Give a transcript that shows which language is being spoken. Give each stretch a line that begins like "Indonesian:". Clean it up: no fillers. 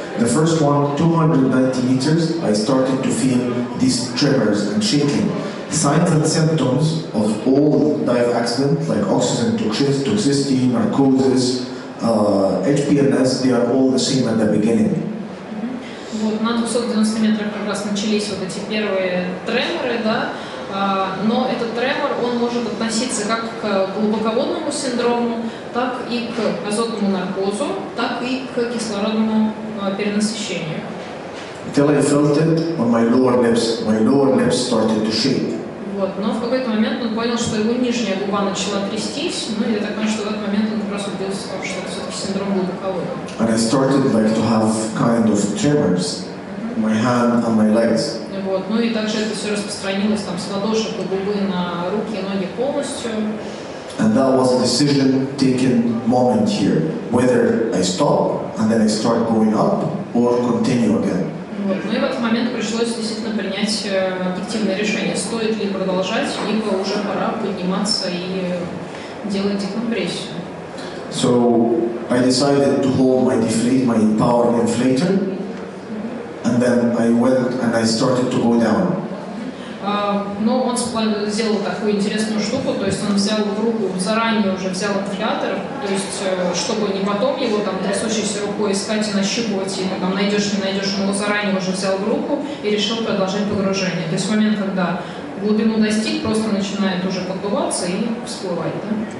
English: The first one, 290 meters, I started to feel these tremors and shaking. Signs and symptoms of all dive accidents, like oxygen toxicity, narcosis, HPNS, they are all the same at the beginning.
Russian: Вот на 290 метрах как раз начались вот эти первые треморы, да. Но этот тремор, он может относиться как к глубоководному синдрому, так и к азотному наркозу, так и к кислородному перенасыщению.
English: Until I felt it on my lower lips started to shake.
Russian: Вот, но в какой-то момент он понял, что его нижняя губа начала трястись, ну, я так понимаю, что в этот момент он как раз убедился в том, что это все-таки синдром глубоководного.
English: And I started like to have kind of tremors, my hand and my legs.
Russian: Вот, ну и также это все распространилось там с ладошек до губы на руки и ноги полностью.
English: And that was a decision taken moment here, whether I stop and then I start going up or continue again.
Russian: Вот. Ну и в этот момент пришлось действительно принять объективное решение, стоит ли продолжать, либо уже пора подниматься и делать декомпрессию.
English: So I decided to hold my power inflator, and then I went and I started to go down.
Russian: Но он сделал такую интересную штуку, то есть он взял в руку, заранее уже взял инфлятор, то есть чтобы не потом его там трясущейся рукой искать и нащупывать, и там найдешь, не найдешь, он его заранее уже взял в руку и решил продолжать погружение. То есть в момент, когда глубину достиг, просто начинает уже подбываться и всплывать, да?